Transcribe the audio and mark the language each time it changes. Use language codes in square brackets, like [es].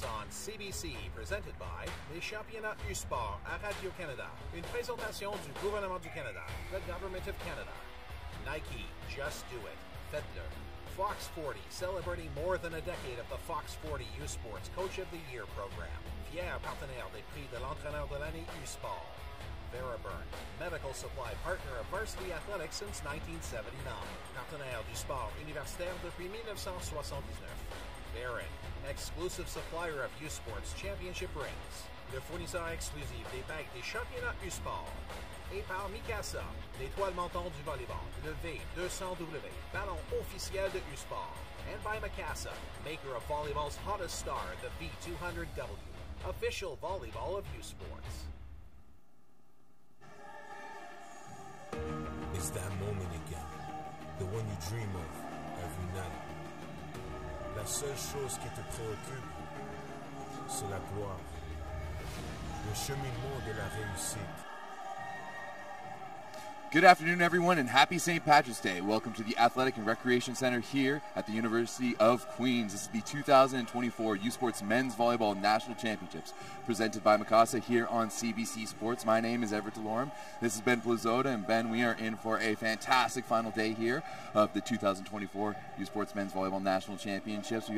[en] CBC, presented by Les Championnats du Sport à Radio-Canada. [fr] Une présentation du gouvernement du Canada, the Government of Canada. [en] Nike, just do it. Faites-le. Fox 40, celebrating more than a decade of the Fox 40 U Sports Coach of the Year program. [fr] Fier partenaire des prix de l'entraîneur de l'année U Sport. [en] Veriburn, medical supply partner of Varsity Athletics since 1979. Partenaire du Sport Universitaire depuis 1979. Baron, exclusive supplier of U-Sports Championship rings. [fr] Le fournisseur exclusif des bagues des championnats U-Sport. Et par Mikasa, l'étoile montante du volleyball. Le V200W, ballon officiel de U-Sport. [en] And by Mikasa, maker of volleyball's hottest star, the V200W. Official volleyball of U-Sports. It's that moment again. The one you dream of every night. [fr] La seule chose qui te préoccupe, c'est la gloire, le cheminement de la réussite. [en] Good afternoon, everyone, and happy St. Patrick's Day. Welcome to the Athletic and Recreation Center here at the University of Queens. This is the 2024 U-Sports Men's Volleyball National Championships, presented by Mikasa here on CBC Sports. My name is Everett DeLorme. This is Ben Plazoda, and Ben, we are in for a fantastic final day here of the 2024 U-Sports Men's Volleyball National Championships.